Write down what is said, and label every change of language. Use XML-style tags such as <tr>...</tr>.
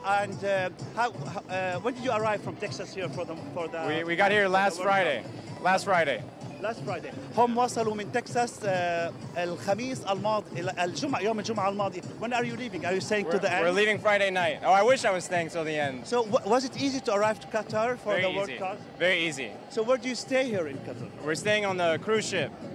<en>And when did you arrive from Texas here for the? We got here last Friday. Last Friday.</en> <ar>هم وصلوا من تكساس الخميس الماضي، الجمعة، يوم الجمعة الماضي.</ar> <en>When are you leaving? Are you staying to the end? We're leaving Friday night. Oh, I wish I was staying till the end. So was it easy to arrive to Qatar for Very the easy. World Cup? Very easy. So where do you stay here in Qatar? We're staying on the cruise ship.</en>